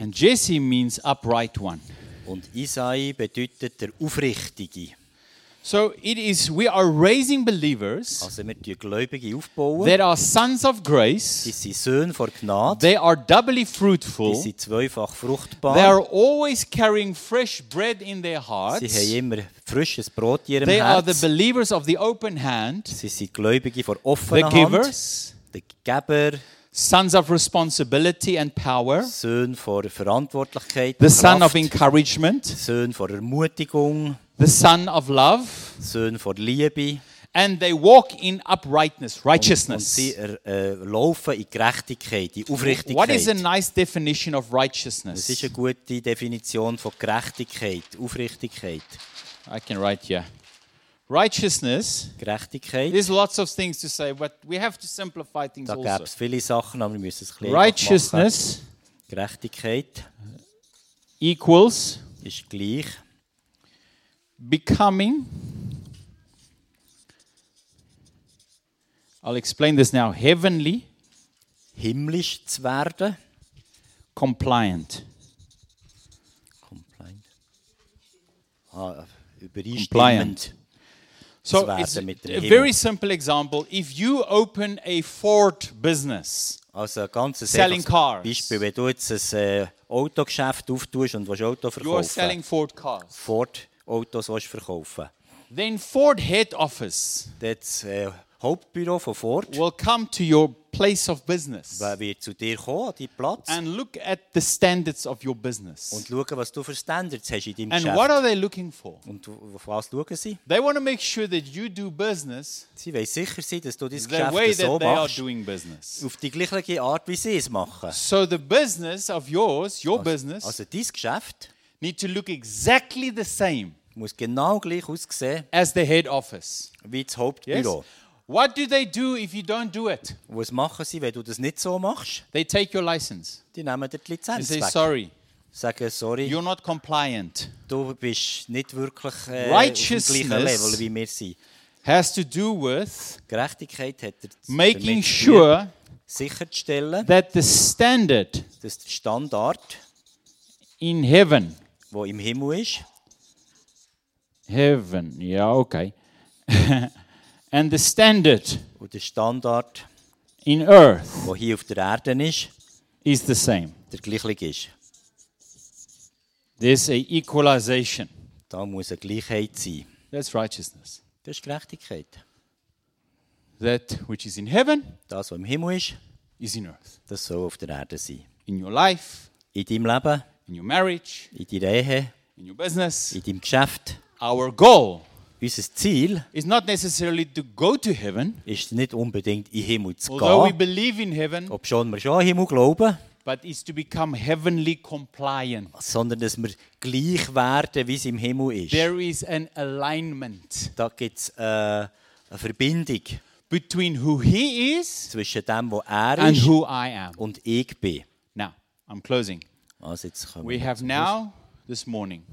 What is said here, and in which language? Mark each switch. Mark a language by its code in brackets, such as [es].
[en] And Jesse means upright one. [de] Und Isai bedeutet der Aufrichtige. [en] So it is. We are raising believers. [de] Also, wir tun Gläubige aufbauen. [en] They are sons of grace. [de] Sie sind Söhne von Gnade. [en] They are doubly fruitful. [de] Sie sind zweifach fruchtbar. [en] They are always carrying fresh bread in their hearts. [de] Sie haben immer frisches Brot in ihrem Herz. [en] They are the believers of the open hand. [de] Sie sind Gläubige von offener [en] Hand. The givers. [de] Die Geber. [en] Sons of responsibility and power. [de] Söhne von Verantwortlichkeit. [en] The son of encouragement. [de] Söhne von Ermutigung. [en] The son of love. [de] Söhne von Liebe. [en] And they walk in uprightness, righteousness. [de] Und sie laufen in Gerechtigkeit, in Aufrichtigkeit. [en] What is a nice definition of righteousness? [de] Das ist eine gute Definition von Gerechtigkeit, Aufrichtigkeit. [en] I can write here. Righteousness. [de] Gerechtigkeit. [en] There's lots of things to say, but we have to simplify things [de] da [en] also. [de] Da gäbe es viele Sachen, aber wir müssen es klären. [en] Righteousness. [de] Machen. Gerechtigkeit. [en] Equals. [de] Ist gleich. [en] Becoming. I'll explain this now. Heavenly. [de] Himmlisch zu werden. [en] compliant. [de] Compliant. Übereinstimmend. [en] So it's a very simple example. If you open a Ford business, [de] also ein ganz [en] selling cars, [de] Beispiel, wenn du jetzt ein Autogeschäft auftust und willst Auto verkaufen, [en] you are selling Ford cars. [de] Ford Autos willst du verkaufen. [en] Then Ford head office, [de] das Hauptbüro von Ford, [en] will come to your place of business, [de] wird zu dir kommen, an deinen Platz, [en] and look at the standards of your business, [de] und schauen, was du für Standards hast in deinem [en] and [de] Geschäft. [en] What are they looking for? [de] Und auf was schauen sie? [en] They want to make sure that you do business, [de] sie wollen sicher sein, dass du dein [en] the [de] Geschäft [en] way [de] so [en] that [de] machst, [en] they are doing business, [de] auf die gleiche Art, wie sie es machen. [en] So the business of yours, your business, [de] also dein Geschäft, [en] need to look exactly the same, [de] muss genau gleich aussehen, [en] as the head office, [de] wie das Hauptbüro. [en] Yes? What do they do if you don't do it? [de] Was machen sie, wenn du das nicht so machst? [en] They take your license. [de] Die nehmen dir die Lizenz weg. [en] They say sorry. [de] Sagen sorry. [en] You're not compliant. [de] Du bist nicht wirklich auf dem gleichen Level wie wir sind. [en] Has to do with [de] Gerechtigkeit hat er [en] making sure [de] sicherzustellen, [en] that the standard, [de] dass der Standard [en] in heaven, [de] wo im Himmel ist. [en] Heaven, ja, okay. And the standard, [de] und der Standard [en] in Earth, [de] wo hier auf der Erde ist, [en] is the same. [de] Der gleiche ist. [en] This is a equalization. [de] Da muss eine Gleichheit sein. [en] That's righteousness. [de] Das ist Gerechtigkeit. [en] That which is in heaven, [de] das was im Himmel ist, [en] is in Earth. [de] Das soll auf der Erde sein. [en] In your life, [de] in deinem Leben, [en] in your marriage, [de] in deiner Ehe, [en] in your business, [de] in deinem Geschäft. [en] Our goal. [de] Unser Ziel [en] is not necessarily to go to heaven, [de] ist nicht unbedingt in den Himmel zu [en] although [de] gehen, [en] we believe in heaven, [de] obschon wir schon an den Himmel glauben, [en] but is to become heavenly compliant, [de] sondern dass wir gleich werden, wie es im Himmel ist. [en] There is an alignment, [de] da gibt es eine Verbindung [en] between who he is, [de] zwischen dem, wo er [en] and [de] ist [en] who I am, [de] und ich bin. [en] Now, I'm closing. [de] Also jetzt kommen [en] we [de] wir [en] have now, this morning,